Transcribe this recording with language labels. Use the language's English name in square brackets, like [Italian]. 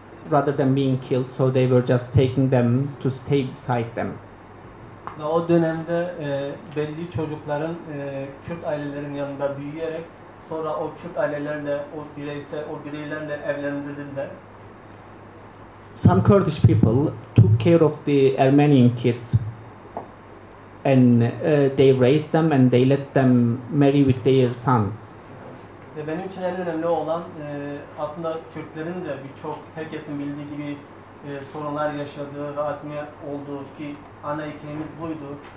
[English] Rather than being killed, so they were just taking them to stay beside them. [Turkish] Ve o dönemde belli çocukların Kürt ailelerin yanında büyüyerek sonra o Kürt ailelerle o bireyse o bireylerle evlendirdiler. [English] Some Kurdish people took care of the Armenian kids and they raised them and they let them marry with their sons. [Turkish] Ve benim için en önemli olan aslında Kürtlerin de birçok herkesin bildiği gibi sorunlar yaşadığı ve azmi olduğu ki ana hikayemiz buydu.